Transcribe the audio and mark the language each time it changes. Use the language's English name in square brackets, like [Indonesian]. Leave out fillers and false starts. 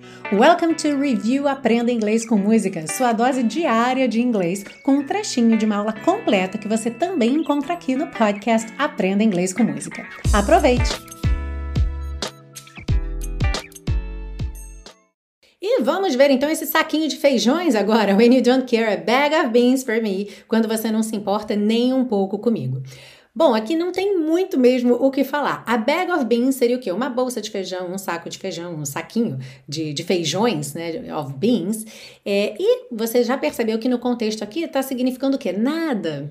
[Portuguese] Welcome to Review Aprenda Inglês com Música, sua dose diária de inglês, com um trechinho de uma aula completa que você também encontra aqui no podcast Aprenda Inglês com Música. Aproveite! E vamos ver então esse saquinho de feijões agora. [English] When you don't care, a bag of beans for me. [Portuguese] Quando você não se importa nem um pouco comigo. Bom, aqui não tem muito mesmo o que falar. [English] A bag of beans [Portuguese] seria o quê? Uma bolsa de feijão, um saco de feijão, um saquinho de feijões, né? [English] Of beans. [Portuguese] E você já percebeu que no contexto aqui está significando o quê? Nada.